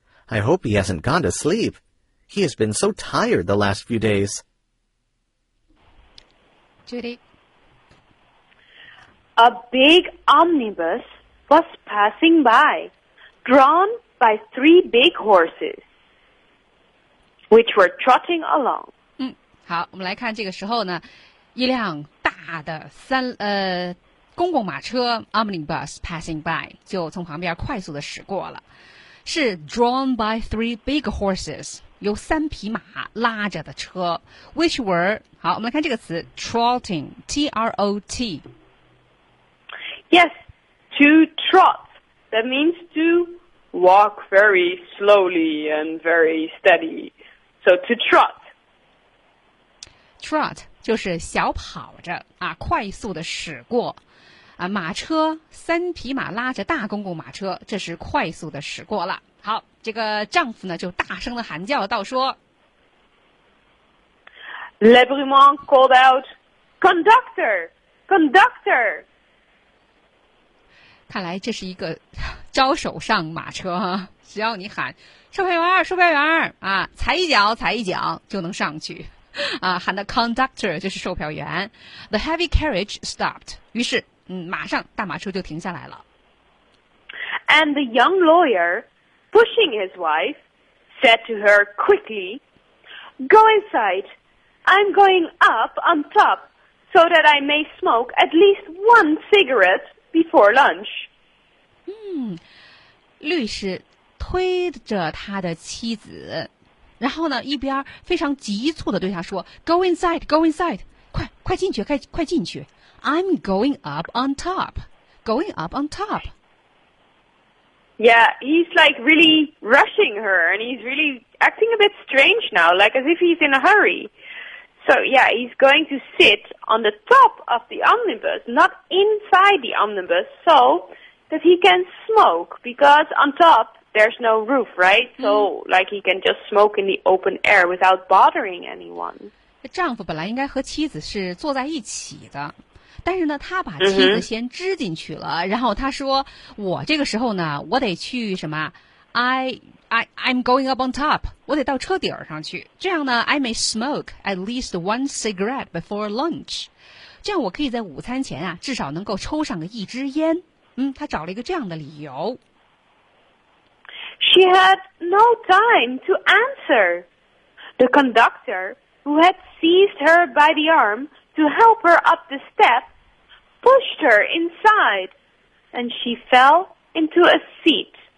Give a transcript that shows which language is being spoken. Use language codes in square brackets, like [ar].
[en] I hope he hasn't gone to sleep. He has been so tired the last few days. Judy. A big omnibus was passing by, drawn by 3 big horses, which were trotting along. [zh] 嗯，好，我们来看这个时候呢，一辆大的公共马车 omnibus [en] passing by [zh] 就从旁边快速的驶过了。是 [en] drawn by 3 big horses, [zh] 由3匹马拉着的车 , [en] which were, [zh] 好我们来看这个词 ,trotting, T-R-O-T. [en] Yes, to trot, that means to walk very slowly and very steady. So to trot. [zh] Trot 就是小跑着啊，快速的驶过啊，马车三匹马拉着大公共马车，这是快速的驶过了。好，这个丈夫呢就大声的喊叫道说 [en] Lebrumont called out, "Conductor, conductor!" [zh] 看来这是一个招手上马车哈、啊，只要你喊售票员儿，售票员儿啊，踩一脚，踩一脚就能上去。啊，喊的 conductor 就是售票员。 [en] The heavy carriage stopped. [zh] 于是，马上大马车就停下来了。 [en] And the young lawyer, pushing his wife, said to her quickly, "Go inside. I'm going up on top so that I may smoke at least one cigarette before lunch." [zh] 律师推着他的妻子。然后呢，一边非常急促地对他说 ： [en] “Go inside, go inside， [zh] 快快进去，快快进去。 [en] I'm going up on top, going up on top。” Yeah, he's like really rushing her, and he's really acting a bit strange now, like as if he's in a hurry. So yeah, he's going to sit on the top of the omnibus, not inside the omnibus, so that he can smoke because on top. There's no roof, right? So, like, he can just smoke in the open air without bothering anyone. [zh] 丈夫本来应该和妻子是坐在一起的，但是呢，他把妻子先支进去了。然后他说：“我这个时候呢，我得去什么 ？ [en] I'm going up on top. [zh] 我得到车顶上去。这样呢 ， [en] I may smoke at least one cigarette before lunch. [zh] 这样我可以在午餐前啊，至少能够抽上个一支烟。他找了一个这样的理由。” [en] She had no time to answer. The conductor, who had seized her by the arm to help her up the steps, pushed her inside, and she fell into a seat.